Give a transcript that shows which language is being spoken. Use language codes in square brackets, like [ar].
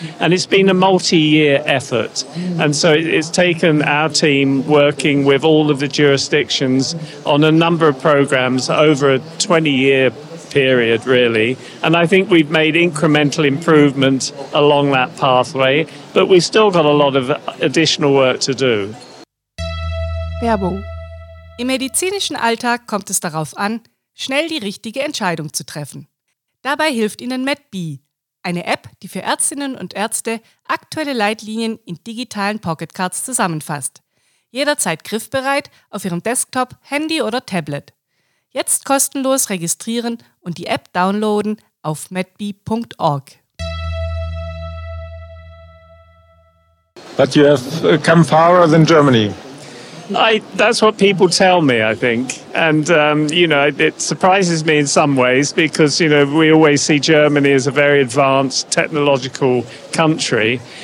[en] And it's been a multi-year effort. And so it's taken our team working with all of the jurisdictions on a number of programs over a 20-year period, really. And I think we've made incremental improvement along that pathway, but we've still got a lot of additional work to do. [de] Werbung. Im medizinischen Alltag kommt es darauf an, schnell die richtige Entscheidung zu treffen. Dabei hilft Ihnen MedBe, eine App, die für Ärztinnen und Ärzte aktuelle Leitlinien in digitalen Pocketcards zusammenfasst. Jederzeit griffbereit auf Ihrem Desktop, Handy oder Tablet. Jetzt kostenlos registrieren und die App downloaden auf medbe.org. [en] But you have come farther than Germany. That's what people tell me, I think. And, you know, it surprises me in some ways because, you know, we always see Germany as a very advanced technological country.